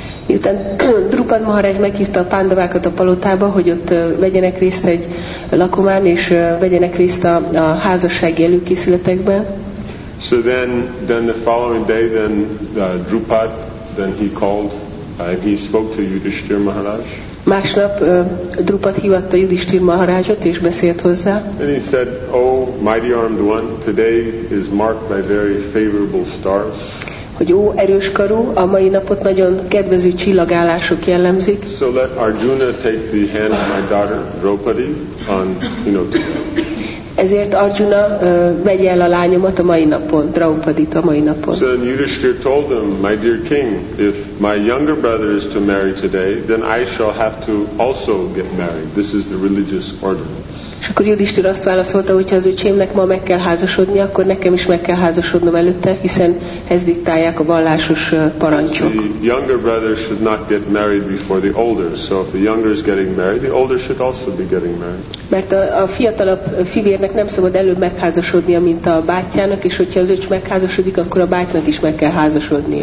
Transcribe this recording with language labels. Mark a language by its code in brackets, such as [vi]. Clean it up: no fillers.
[hu] Miután Drupad Maharaj meghívta a Pandavákat a palotába, hogy ott vegyenek részt egy lakomán, és vegyenek részt a házassági előkészületekben. [en] So then the following day, Drupad called and he spoke to Yudhishthir Maharaj. [hu] Másnap Drupad hívatta Yudhishthir Maharajot és beszélt hozzá. [en] And he said, "Oh, mighty armed one, today is marked by very favorable stars." [hu] Hogy ó, erős karú, a mai napot nagyon kedvező csillagállások jellemzik. [en] So let Arjuna take the hand of my daughter Draupadi on, you know. [hu] Ezért Arjuna vegye el a lányomat a mai napon, Draupadit a mai napon. [en] So then Yudhishthir told him, "My dear king, if my younger brother is to marry today, then I shall have to also get married. This is the religious ordinance." [hu] És akkor Yudhishthir azt válaszolta, hogy ha az öcsémnek ma meg kell házasodni, akkor nekem is meg kell házasodnom előtte, hiszen ez diktálják a vallásos parancsok. [en] The younger brother should not get married before the older. So if the younger is getting married, the older should also be getting married. [hu] Mert a fiatalabb fivérnek nem szabad előbb megházasodnia, mint a bátyjának, és hogyha az öcs megházasodik, akkor a bátynak is meg kell házasodnia.